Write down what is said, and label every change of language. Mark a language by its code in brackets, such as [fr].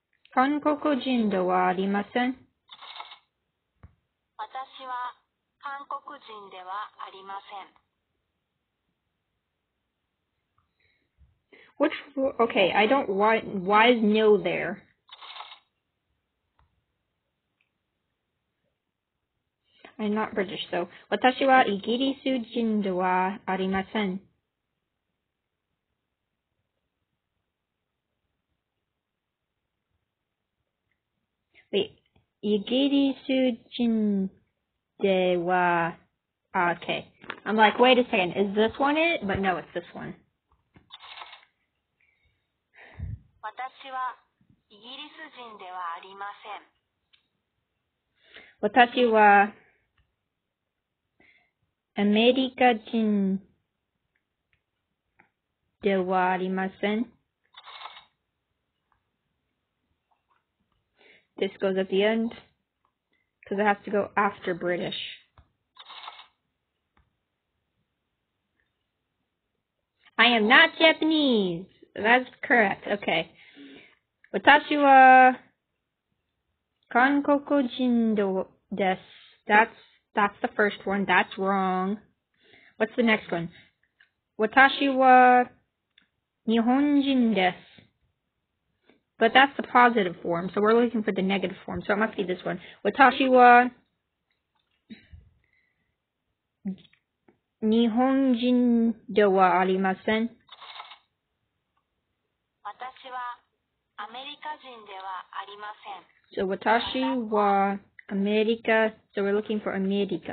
[ja] 韓国人ではありません。私は韓国人ではありません。 [en] Which, okay, I don't, why is no there? I'm not British, so. [ja] 私はイギリス人ではありません。 [en] Wait. [ja] イギリス人では、 [en] okay. I'm like, wait a second, is this one it? But no, it's this one. [ja] 私はイギリス人ではありません。私はアメリカ人ではありません。 [en] This goes at the end, because it has to go after British. I am not Japanese! That's correct, okay. [ja] 私は韓国人です。 [en] That's the first one. That's wrong. What's the next one? [ja] 私は日本人です。 [en] But that's the positive form, so we're looking for the negative form, so it must be this one. [ja] 私は日本人ではありません。私はアメリカ人ではありません。 [en] So [ja] 私はアメリカ、 [en] so we're looking for アメリカ。